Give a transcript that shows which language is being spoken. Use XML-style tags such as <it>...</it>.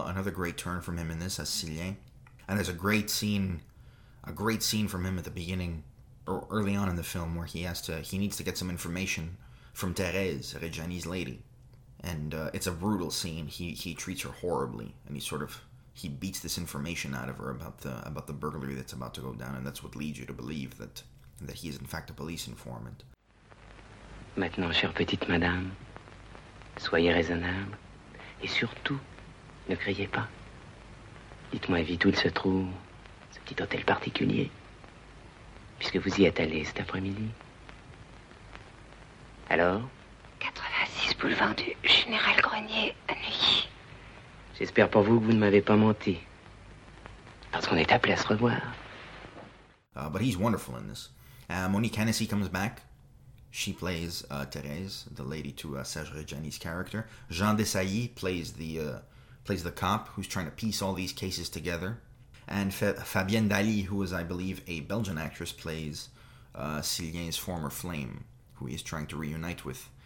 <en>Another great turn from him in this as Cillien. And there's a great scene from him at the beginning, or early on in the film, where he needs to get some information from Thérèse, Reggiani's lady. And it's a brutal scene. He treats her horribly, and he beats this information out of her about the burglary that's about to go down, and that's what leads you to believe that he is in fact a police informant.</en> <fr>Maintenant, chère petite madame, soyez raisonnable, et surtout, ne criez pas. Dites-moi vite où il se trouve, ce petit hôtel particulier, puisque vous y êtes allé cet après-midi. Alors? 86 boulevard du Général Grenier, à Neuilly. J'espère pour vous que vous ne m'avez pas menti, parce qu'on est appelé à se revoir.</fr> <en>But he's wonderful in this. Monique Hennessy comes back. She plays Thérèse, the lady to Serge Reggiani's character. Jean Desailly plays the plays the cop who's trying to piece all these cases together. And Fabienne Daly, who is, I believe, a Belgian actress, plays Cillien's former flame, who he is trying to reunite with.</en>